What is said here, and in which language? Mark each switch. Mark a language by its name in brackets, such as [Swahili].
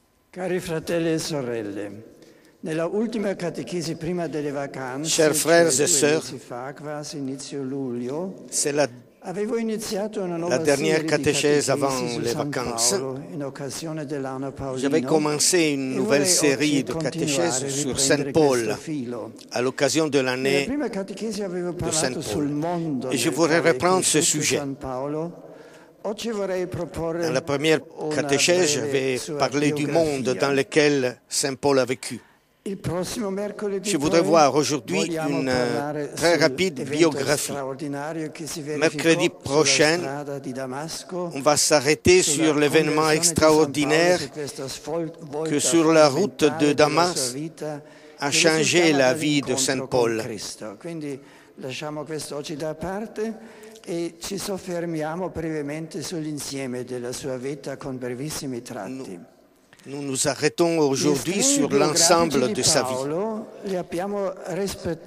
[Italian] Cari fratelli e sorelle, nella ultima catechesi prima delle vacanze, [French] chers frères et sœurs, [Italian] quasi inizio luglio, avevo iniziato una nuova serie di catechesi [French] avant les vacances, [Italian] in occasione dell'anno paulino. [French] J'avais commencé une nouvelle série de catéchèses sur Saint Paul à l'occasion de l'année. [Italian] Nella prima catechesi avevo parlato sul mondo. [French] Et je voudrais reprendre ce sujet. Dans la première catéchèse, j'avais parlé du monde dans lequel Saint Paul a vécu. Je voudrais voir aujourd'hui une très rapide biographie. Mercredi prochain, on va s'arrêter sur l'événement extraordinaire que sur la route de Damas a changé la vie de Saint Paul. [Italian] Lasciamo questo oggi da parte e ci soffermiamo brevemente sull'insieme della sua vita con brevissimi tratti. [French] Nous nous arrêtons aujourd'hui sur l'ensemble de sa vie.